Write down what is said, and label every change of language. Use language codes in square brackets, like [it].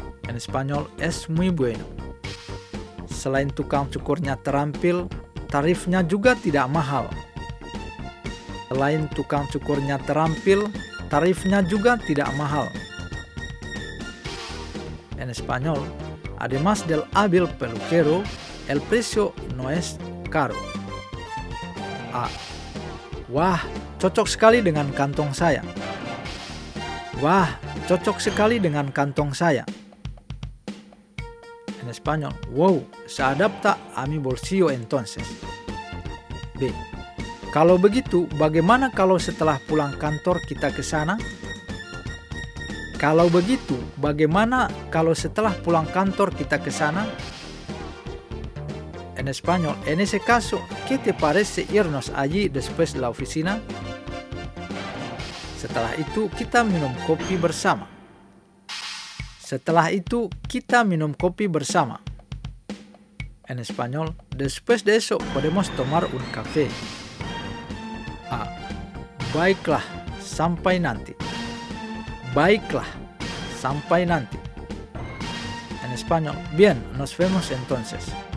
[es] En español, es muy bueno. [id] Selain tukang cukurnya terampil, tarifnya juga tidak mahal. Selain tukang cukurnya terampil, tarifnya juga tidak mahal. [es] En español, además del hábil peluquero, el precio no es caro. A. [id] Wah, cocok sekali dengan kantong saya. Wah, cocok sekali dengan kantong saya. [es] En español, wow, se adapta a mi bolsillo entonces. B. [id] Kalau begitu, bagaimana kalau setelah pulang kantor kita ke sana? Kalau begitu, bagaimana kalau setelah pulang kantor kita ke sana? [es] En español, en ese caso, ¿qué te parece irnos allí después de la oficina? [id] Setelah itu, kita minum kopi bersama. Setelah itu, kita minum kopi bersama. [es] En español, después de eso, podemos tomar un café. A. [id] Baiklah, sampai nanti. Baiklah, sampai nanti. [es] En español, bien, nos vemos entonces.